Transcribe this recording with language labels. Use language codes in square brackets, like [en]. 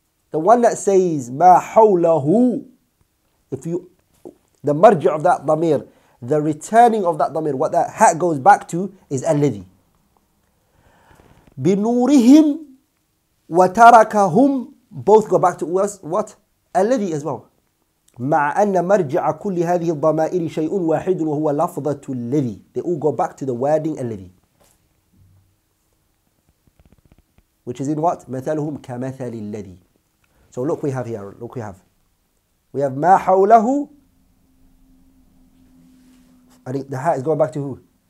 [en] The one that says, ma hawlahu. If you, the marja of that dhamir, the returning of that dhamir, what that hat goes back to is alladhi. Binurihim wa tarakahum, both go back to what? Alladhi as well. [ar] مع أن مرجع كل هذه الضمائر شيء واحد وهو لفظة الذي. [en] They all go back to the wording الذي, which is in what? [ar] مثلهم كمثل الذي. [en] So look we have here, look we have [ar] ما حوله [en] I think the ha is going back to who?